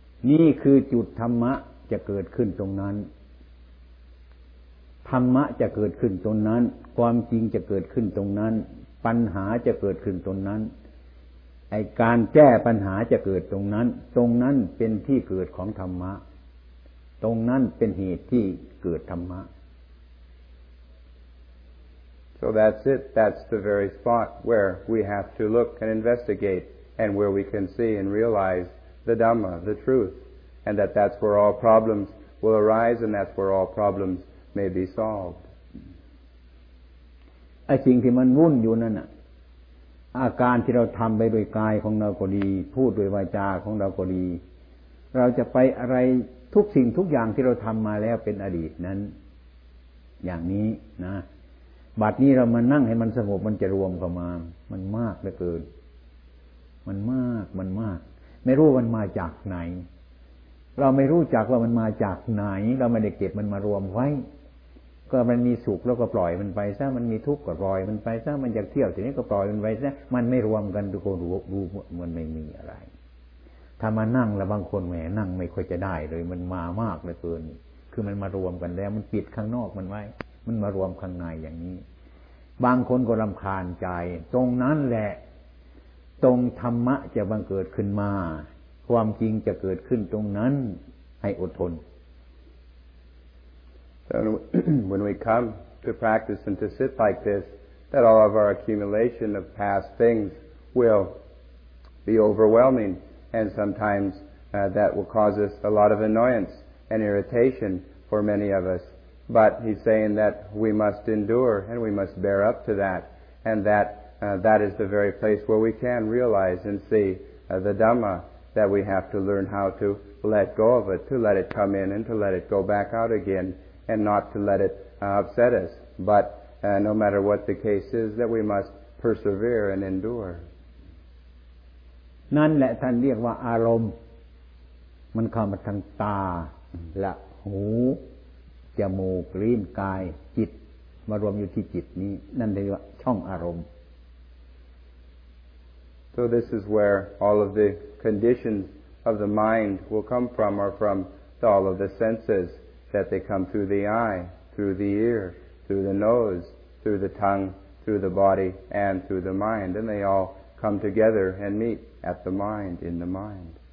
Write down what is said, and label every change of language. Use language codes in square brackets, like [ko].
[th] นี่คือจุดธรรมะจะเกิดขึ้นตรงนั้นธรรมะจะเกิดขึ้นตรงนั้นความจริงจะเกิดขึ้นตรงนั้นปัญหาจะเกิดขึ้นตรงนั้นไอ้การแก้ปัญหาจะเกิดตรงนั้นตรงนั้นเป็นที่เกิดของธรรมะตรงนั้นเป็นเหตุที่เกิดธรรมะ [en] So that's it. That's the very spot where we have to look and investigate and where we can see and realize the Dhamma, the truth, and that that's where all problems will arise and that's where all problems may be solved. [th] ไอ้สิ่งที่มันวุ่นอยู่นั่นน่ะอาการที่เราทำไปโดยกายของเราก็ดีพูดโดยวาจาของเราก็ดีเราจะไปอะไรทุกสิ่งทุกอย่างที่เราทำมาแล้วเป็นอดีตนั้นอย่างนี้นะบัดนี้เรามานั่งให้มันสงบมันจะรวมเข้ามามันมากเหลือเกิน มันมากไม่รู้มันมาจากไหนเราไม่รู้จักว่ามันมาจากไหนเราไม่ได้เก็บมันมารวมไว้ก็มันมีสุขแล้วก็ปล่อยมันไปซะมันมีทุกข์ก็ปล่อยมันไปซะมันอยากเที่ยวทีนี้ก็ปล่อยมันไปซะมันไม่รวมกันทุกคนรู้มันไม่มีอะไร ถ้ามานั่งแล้วบางคนแหมนั่งไม่ค่อยจะได้เลยมันมามากเหลือเกินคือมันมารวมกันแล้วมันปิดข้างนอกมันไว้มันมารวมข้างในอย่างนี้บางคนก็รำคาญใจตรงนั้นแหละตรงธรรมะจะบังเกิดขึ้นมาความจริงจะเกิดขึ้นตรงนั้นให้อดทน [en] And when we come to practice and to sit like this, that all of our accumulation of past things will be overwhelming, and sometimes that will cause us a lot of annoyance and irritation for many of us. But he's saying that we must endure and we must bear up to that, and that that is the very place where we can realize and see the Dhamma, that we have to learn how to let go of it, to let it come in and to let it go back out again. And not to let it upset us, but no matter what the case is, that we must persevere and endure. [th] นั่นแหละท่านเรียกว่าอารมณ์มันเข้ามาทางตาและหูจมูกลิ้นกายจิตมารวมอยู่ที่จิตนี้นั่นเรียกว่าช่องอารมณ์ [en] So this is where all of the conditions of the mind will come from, or from all of the senses. That they come through the eye, through the ear, through the nose, through the tongue, through the body, and through the mind, and they all come together and meet at the mind, in the mind.